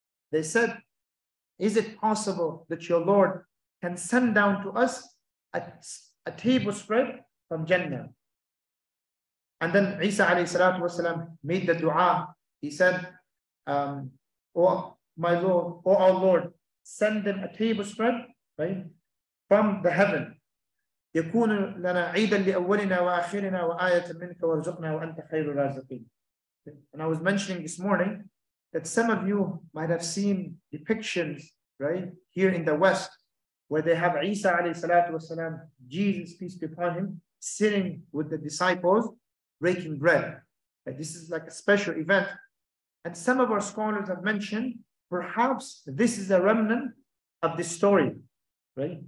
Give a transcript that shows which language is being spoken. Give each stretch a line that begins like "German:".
English: They said, is it possible that your Lord can send down to us a table spread from Jannah? And then Isa عليه الصلاة والسلام made the dua. He said, O our Lord, send them a table spread, right, from the heaven.
Arabic: يكون لنا عيدا لأولنا وآخرنا وآية منك وارزقنا وأنت خير الرازقين.
English: And I was mentioning this morning that some of you might have seen depictions right? Here in the West, where they have Isa alayhi salatu wasalam, Jesus, peace be upon him, sitting with the disciples, breaking bread. And this is like a special event. And some of our scholars have mentioned, perhaps this is a remnant of this story, right?